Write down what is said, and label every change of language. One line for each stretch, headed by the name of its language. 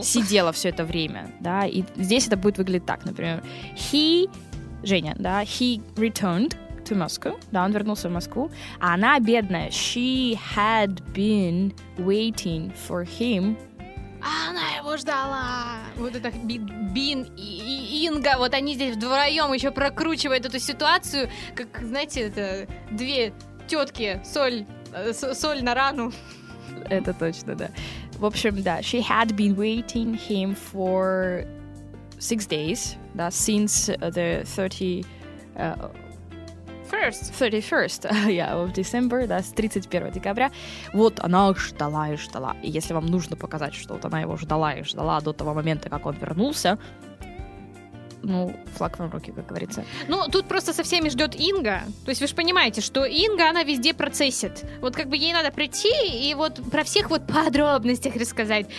Russian: Это сидела все это время, да, и здесь это будет выглядеть так, например, he, Женя, да,
English: he returned to Moscow,
Russian: да, он вернулся в Москву, а она бедная,
English: she had been waiting for him.
Russian: Она его ждала. Вот это Бин и Инга, вот они здесь вдвоем еще прокручивают эту ситуацию, как, знаете, это две тетки, соль на рану. Это точно, да. В общем,
English: да, she had been waiting him for 6 days, да, since the 31st yeah, of December, да,
Russian: с 31 декабря. Вот она ждала и ждала. И если вам нужно показать, что вот она его ждала и ждала до того момента, как он вернулся, ну, флаг вам в руки, как говорится. Ну, тут просто со всеми ждет Инга. То есть вы же понимаете, что Инга, она везде процессит. Вот как бы ей надо прийти и вот про всех вот подробностях рассказать.